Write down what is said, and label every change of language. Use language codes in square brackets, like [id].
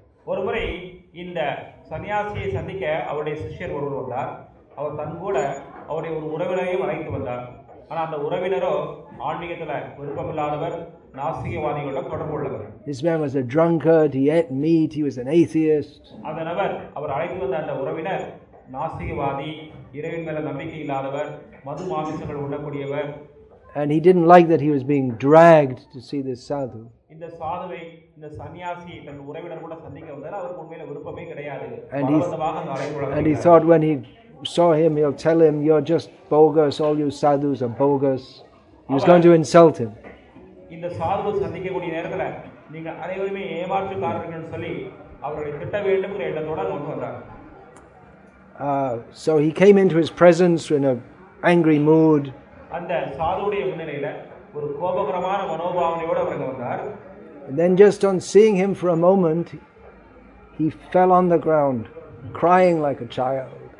[ta] ஒருமுறை இந்த சன்னியாசியை சந்திக்க அவருடைய சிஷ்யர் ஒருவர் வந்தார். அவர் தன் கூட அவருடைய ஒரு உறவினரையும் அழைத்து வந்தார். ஆனால் அந்த உறவினரோ ஆன்மீகத்தில் விருப்பமில்லாதவர், நாஸ்திகவாதிகளோட தொடர்பு உள்ளவர். [en] This man was a drunkard, he ate meat, he was an atheist. [ta] அந்த நபர், அவர் அழைத்து வந்த அந்த உறவினர் நாஸ்திகவாதி, இறைவன் மேல நம்பிக்கை இல்லாதவர், மது மாமிசங்கள் உள்ளக்கூடியவர். [en] And he didn't like that he was being dragged to see this sadhu. [ta] இந்த சாதுவை, இந்த சன்னியாசி தன் உறவினர் கூட சந்திக்க வந்தார். அவருக்கு உண்மையில விருப்பமே கிடையாது. [en] And he thought when he saw him, he'll tell him, "You're just bogus, all you sadhus are bogus." He was going to insult him. [ta] இந்த சாதுவை சந்திக்க கூடிய நேரத்தில் நீங்க அனைவருமே ஏமாற்றுக்காரர்கள்னு சொல்லி அவரை திட்ட வேண்டும் என்ற எண்ணத்தோட கொண்டு வந்தார். [en] So he came into his presence in a angry mood. [ta] அந்த சாதுவுடைய முன்னிலையில ஒரு கோபகரமான மனோபாவனையோடு அவர் வந்தார். [en] And then just on seeing him for a moment, he fell on the ground, crying like a child.